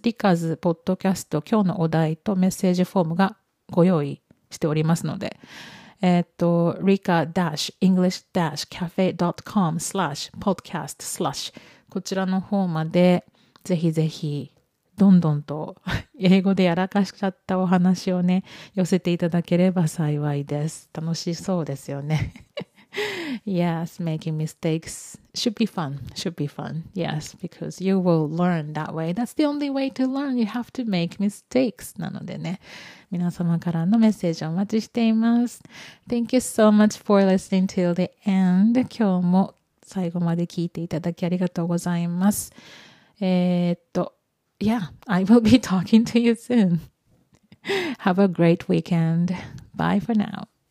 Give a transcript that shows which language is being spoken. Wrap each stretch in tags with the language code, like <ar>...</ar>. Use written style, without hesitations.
<ja>リカーズポッドキャスト、今日のお題とメッセージフォームがご用意しておりますので、rika-english-cafe.com/podcast/ こちらの方までぜひぜひどんどんと英語でやらかしちゃったお話をね、寄せていただければ幸いです。楽しそうですよね。</ja> <en>Yes, making mistakes should be fun. Should be fun. Yes, because you will learn that way. That's the only way to learn. You have to make mistakes.</en> <ja>なのでね、皆様からのメッセージをお待ちしています。</ja> <en>Thank you so much for listening till the end.</en> <ja>今日も最後まで聞いていただきありがとうございます。</ja> <en>Yeah, I will be talking to you soon. Have a great weekend. Bye for now.</en>